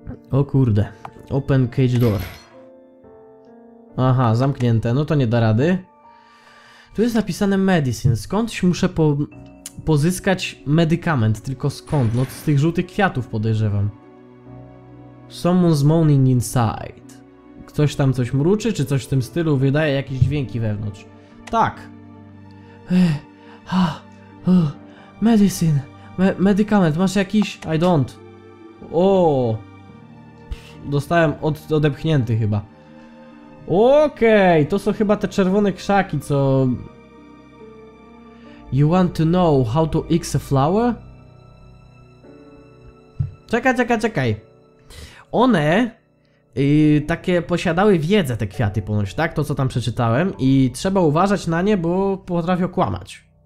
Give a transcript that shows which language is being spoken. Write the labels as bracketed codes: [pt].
[pl] O kurde, [en] open cage door. [pl] Aha, zamknięte, no to nie da rady. Tu jest napisane medicine, skądś muszę pozyskać medykament, tylko skąd? No z tych żółtych kwiatów podejrzewam. [en] Someone's moaning inside. [pl] Ktoś tam coś mruczy, czy coś w tym stylu, wydaje jakieś dźwięki wewnątrz. Tak. Medicine. Medykament, masz jakiś? [en] I don't. [pl] O. Dostałem odepchnięty chyba. Okej, okay, to są chyba te czerwone krzaki, co... [en] You want to know how to X a flower? [pl] Czekaj. One takie posiadały wiedzę, te kwiaty ponoć, tak? To co tam przeczytałem i trzeba uważać na nie, bo potrafią kłamać.